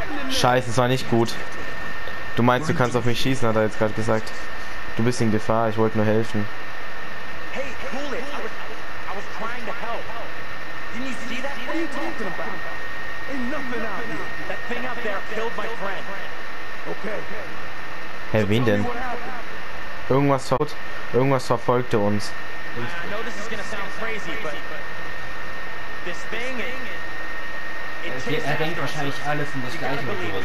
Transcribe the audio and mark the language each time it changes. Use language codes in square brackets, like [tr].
[de] Scheiße, es war nicht gut. Du meinst, du kannst auf mich schießen, hat er jetzt gerade gesagt. Du bist in Gefahr, ich wollte nur helfen. [en] Hey, cool it. I was trying to help. Didn't you see that? What are you talking about? Enough out here. That thing out there killed my friend. Okay. [de] Hey, wen denn? Irgendwas verfolgte uns. [en] I know this is gonna sound crazy, but... This thing, [de] er denkt wahrscheinlich alles in das gleiche mit sowas